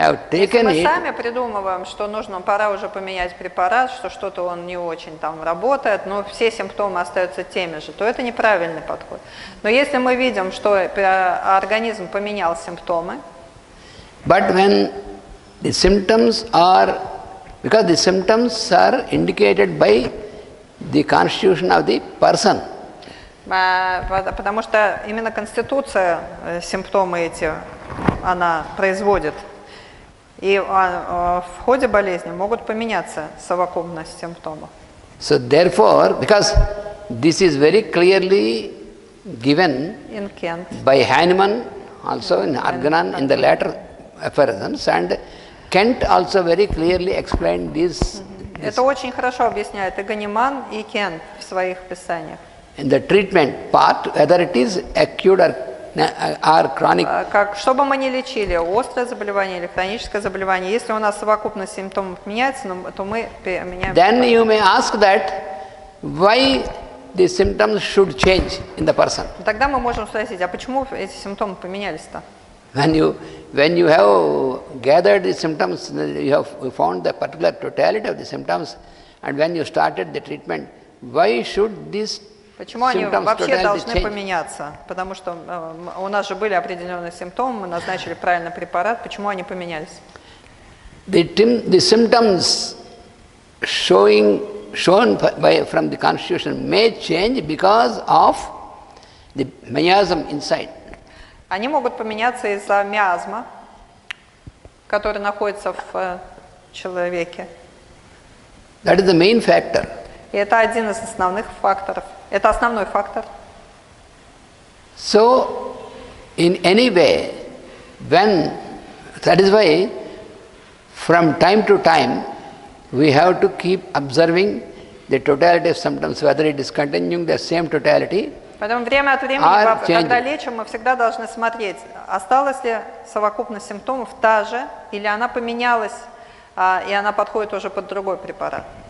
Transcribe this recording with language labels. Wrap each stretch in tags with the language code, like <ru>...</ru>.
<ru>Если мы сами придумываем, что нужно, пора уже поменять препарат, что что-то он не очень там работает, но все симптомы остаются теми же, то это неправильный подход. Но если мы видим, что организм поменял симптомы,</ru> <en>but when the symptoms are, because the symptoms are indicated by the constitution of the person.</en> <ru>Потому что именно конституция симптомы эти она производит. И в ходе болезни могут поменяться совокупность симптомов.</ru> <en>So therefore, because this is very clearly given in Kent by Hahnemann, also in Argonne, in the latter aphorisms, and Kent also very clearly explained this.</en> <ru>Это очень хорошо объясняет и Ганиман, и Кент в своих писаниях.</ru> <en>In the treatment part, whether it is acute or chronic.</en> <ru>Как, что бы мы ни лечили, острое заболевание или хроническое заболевание, если у нас совокупность симптомов меняется, то мы меняем.</ru> <en>Then you may ask that why the symptoms should change in the person.</en> <ru>Тогда мы можем спросить, а почему эти симптомы поменялись-то?</ru> <en>When you have gathered the symptoms, you have found the particular totality of the symptoms, and when you started the treatment, why should this?</en> <ru>Почему они вообще должны поменяться? Потому что у нас же были определенные симптомы, мы назначили правильный препарат. Почему они поменялись?</ru> <en>The symptoms shown from the constitution may change because of the miasm inside.</en> <ru>Они могут поменяться из-за миазма, который находится в человеке.</ru> <en>That is the main factor.</en> <ru>И это один из основных факторов. Это основной фактор.</ru> <en>So, in any way, when, that is why, from time to time, we have to keep observing the totality of symptoms, whether it is continuing the same totality.</en> <ru>Поэтому время от времени, когда лечим, мы всегда должны смотреть, осталась ли совокупность симптомов та же, или она поменялась, и она подходит уже под другой препарат.</ru>